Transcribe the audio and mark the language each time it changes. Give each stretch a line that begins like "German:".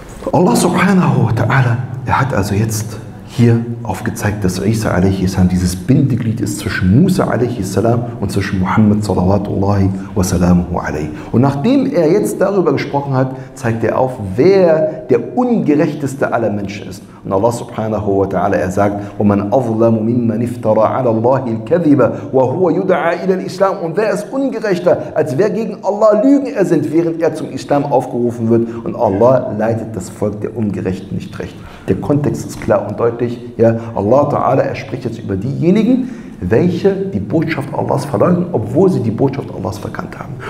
German: Allah subhanahu wa ta'ala, er hat also jetzt hier aufgezeigt, dass Isa alayhi salam dieses Bindeglied ist zwischen Musa alayhi salam und zwischen Muhammad salawatullahi wa salamuhu alayhi. Und nachdem er jetzt darüber gesprochen hat, zeigt er auf, wer der ungerechteste aller Menschen ist. Und Allah subhanahu wa ta'ala, er sagt,
Arabic: وَمَنْ أَظْلَمُ مِمَّنْ افْتَرَى عَلَى اللَّهِ الْكَذِبَ وَهُوَ يُدْعَى إِلَى الْإِسْلَامِ.
German: Und wer ist ungerechter, als wer gegen Allah Lügen ersinnt, während er zum Islam aufgerufen wird? Und Allah leitet das Volk der Ungerechten nicht recht. Der Kontext ist klar und deutlich. Ja, Allah ta'ala, er spricht jetzt über diejenigen, welche die Botschaft Allahs verleugnen, obwohl sie die Botschaft Allahs verkannt haben.